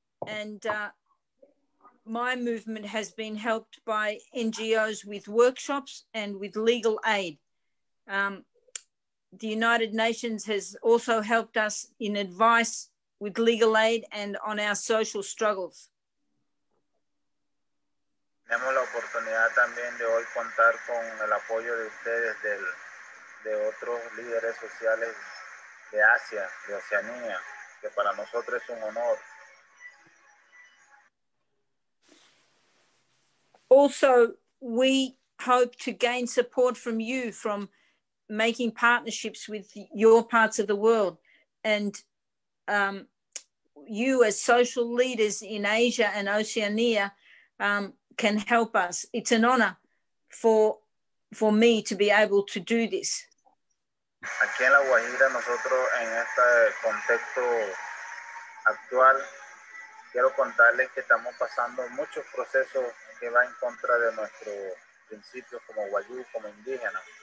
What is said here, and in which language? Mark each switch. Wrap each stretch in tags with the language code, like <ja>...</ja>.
<en>And my movement has been helped by NGOs with workshops and with legal aid. The United Nations has also helped us in advice with legal aid and on our social struggles.</en> <es>Tenemos la oportunidad. oportunidad también de hoy contar con el apoyo de ustedes, del, de otros líderes sociales de Asia, de Oceanía, que para nosotros es un honor.</es> <en>Also, we hope to gain support from you from making partnerships with your parts of the world. And you as social leaders in Asia and Oceania can help us. It's an honor for me to be able to do this.</en> <es>Aquí en La Guajira, nosotros en este contexto actual, quiero contarles que estamos pasando muchos procesos que va en contra de nuestros principios como guayú, como indígena.</es>